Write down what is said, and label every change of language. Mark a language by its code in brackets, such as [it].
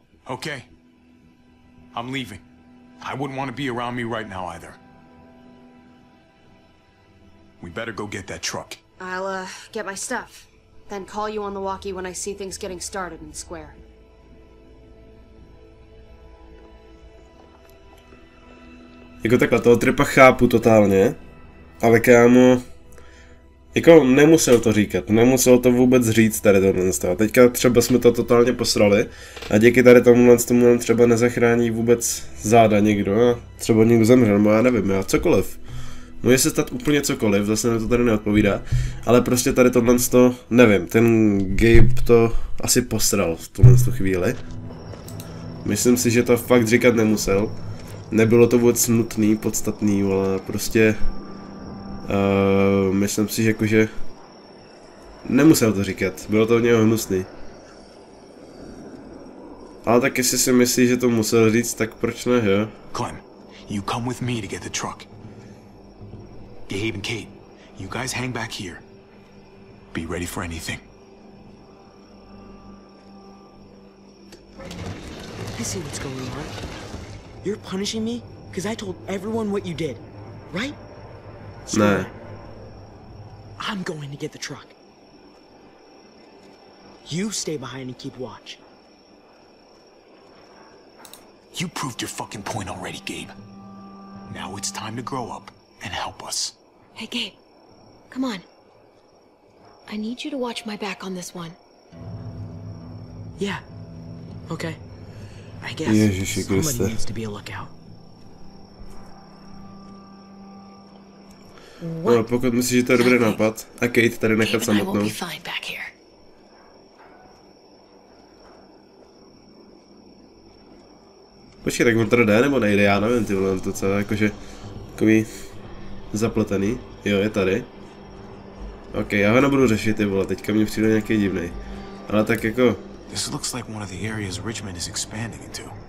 [en] Okay. I'm leaving. I wouldn't want to be around me right now either. We better go get that truck. I'll, get my stuff. Then call you on the walkie when I see things getting started in Square. [cs] Jako takhle, toho tripa chápu totálně. Ale kámo, jako nemusel to říkat, nemusel to vůbec říct tady tohle stav. Teďka třeba jsme to totálně posrali a díky tady tomu nám třeba nezachrání vůbec záda někdo a třeba někdo zemřel, nebo já nevím, já cokoliv. Může se stát úplně cokoliv, zase mi to tady neodpovídá, ale prostě tady tohle to nevím, ten Gabe to asi posral v tuhle chvíli. Myslím si, že to fakt říkat nemusel. Nebylo to vůbec nutný, podstatný, ale prostě... myslím si, že jakože... Nemusel to říkat, bylo to v něho hnusný. Ale tak jestli si myslí, že to musel říct, tak proč ne, jo? [en] Clem, you come with me to get the truck. Gabe and Kate, you guys hang back here. Be ready for anything. I see what's going on. You're punishing me because I told everyone what you did, right? So, nah. I'm going to get the truck. You stay behind and keep watch. You proved your fucking point already, Gabe. Now it's time to grow up and help us. Hey, Gabe. Come on. I need you to watch my back on this one. Yeah. Okay. I guess somebody needs to be a lookout. What? [cs] No, pokud myslíš, že to je dobrý nápad, a Kate tady nechat samotnou. Počkej, tak on teda jde nebo nejde, já nevím, ty vole, to celé jakože takový zapletený. Jo, je tady. Ok, já ho nebudu řešit, ty vole, teďka mě přijde nějaký divný. Ale tak jako... [en] This looks like one of the areas Richmond is expanding into.